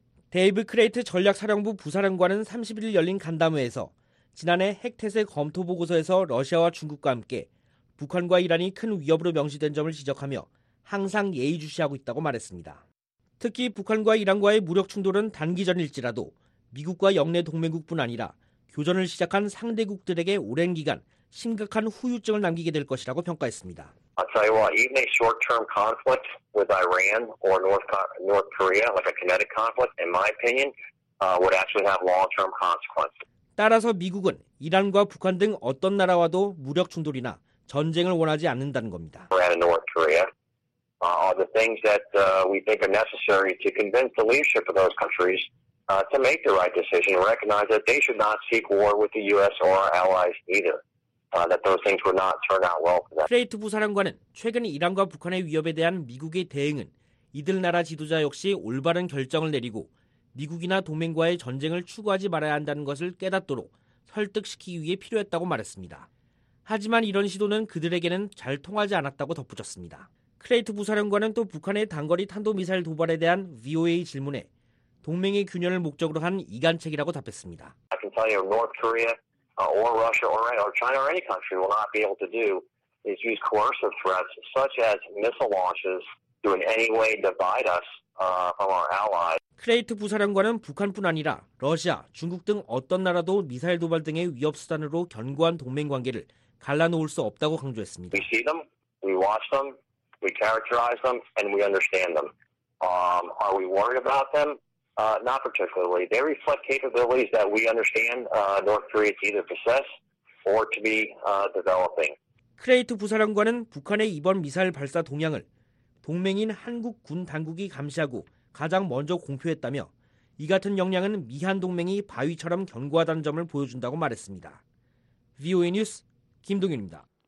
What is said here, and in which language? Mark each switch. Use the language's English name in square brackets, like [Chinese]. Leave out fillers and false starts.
[Korean] 데이브 크레이트 전략사령부 부사령관은 31일 열린 간담회에서 지난해 핵태세 검토 보고서에서 러시아와 중국과 함께 북한과 이란이 큰 위협으로 명시된 점을 지적하며 항상 예의주시하고 있다고 말했습니다. 특히 북한과 이란과의 무력 충돌은 단기전일지라도 미국과 영내 동맹국뿐 아니라 교전을 시작한 상대국들에게 오랜 기간 심각한 후유증을 남기게 될 것이라고 평가했습니다. [English] I'll tell you what, even a short-term conflict with Iran or North Korea, like a kinetic conflict, in my opinion, would actually have long-term consequences. [Korean] 따라서 미국은 이란과 북한 등 어떤 나라와도 무력 충돌이나 전쟁을 원하지 않는다는 겁니다. [English] Iran and North Korea are the things that we think are necessary to convince the leadership of those countries to make the right decision and recognize that they should not seek war with the U.S. or our allies either. That those things would not turn out well for them. [Korean] 크레이트 부사령관은 최근 이란과 북한의 위협에 대한 미국의 대응은 이들 나라 지도자 역시 올바른 결정을 내리고 미국이나 동맹과의 전쟁을 추구하지 말아야 한다는 것을 깨닫도록 설득시키기 위해 필요했다고 말했습니다. 하지만 이런 시도는 그들에게는 잘 통하지 않았다고 덧붙였습니다. 크레이트 부사령관은 또 북한의 단거리 탄도미사일 도발에 대한 VOA 질문에 동맹의 균열을 목적으로 한 이간책이라고 답했습니다. [English] I can tell you North Korea. Or Russia, or China, or any country will not be able to do is use coercive threats such as missile launches to in any way divide us from our allies. [Korean] 크레이트 부사령관은 북한뿐 아니라 러시아, 중국 등 어떤 나라도 미사일 도발 등의 위협 수단으로 견고한 동맹 관계를 갈라놓을 수 없다고 강조했습니다. [English] We see them, we watch them, we characterize them, and we understand them. Are we worried about them? Not particularly. They reflect capabilities that we understand North Korea to either possess or to be developing. [Korean] 크레이트 부사령관은 북한의 이번 미사일 발사 동향을 동맹인 한국 군 당국이 감시하고 가장 먼저 공표했다며 이 같은 역량은 미한 동맹이 바위처럼 견고하다는 점을 보여준다고 말했습니다. VOA 뉴스 김동윤입니다.